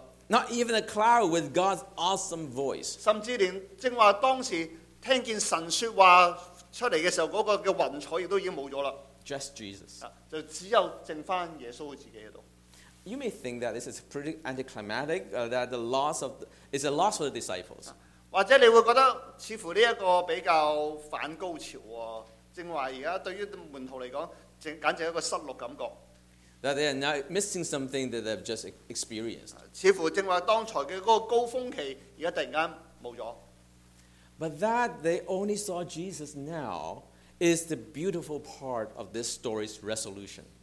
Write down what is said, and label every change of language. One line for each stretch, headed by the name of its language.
English: Not even a cloud with God's awesome voice.
Chinese: 甚至连正话当时听见神说话出来的时候，那个云彩亦都已经没有了。
English: Just Jesus.
Chinese: 就只有剩下耶稣自己在那里。
English: You may think that this is pretty anticlimactic, that the loss of is a loss for the disciples.
Chinese: 或者你会觉得似乎这个比较反高潮，正话现在对于门徒来讲。
English: That they are now missing something that they've just experienced.
Chinese: 似乎正话当才的那个高峰期，现在突然间没了。But
English: that they only saw Jesus now is the beautiful part of this story's resolution.